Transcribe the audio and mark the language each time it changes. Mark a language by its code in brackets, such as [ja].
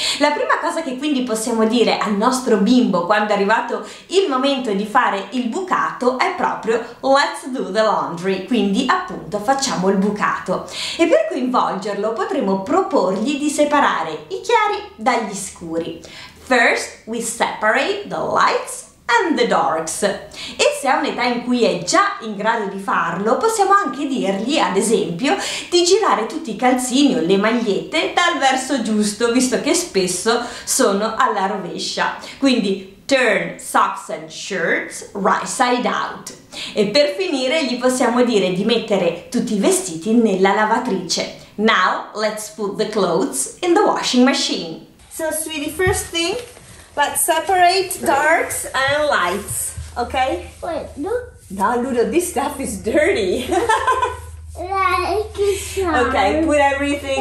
[it] La prima cosa che quindi possiamo dire al nostro bimbo quando è arrivato il momento di fare il bucato è proprio [en] "Let's do the laundry", [it] quindi appunto facciamo il bucato. E per coinvolgerlo potremo proporgli di separare i chiari dagli scuri. [en] First we separate the lights and the darks. [it] E se ha un'età in cui è già in grado di farlo, possiamo anche dirgli, ad esempio, di girare tutti i calzini o le magliette dal verso giusto, visto che spesso sono alla rovescia. Quindi [en] turn socks and shirts right side out. [it] E per finire gli possiamo dire di mettere tutti i vestiti nella lavatrice. [en] Now let's put the clothes in the washing machine. So sweetie, first thing, let's separate darks and lights, okay? Wait, look. No, Ludo, this stuff is dirty. Like a scarf. Okay, put everything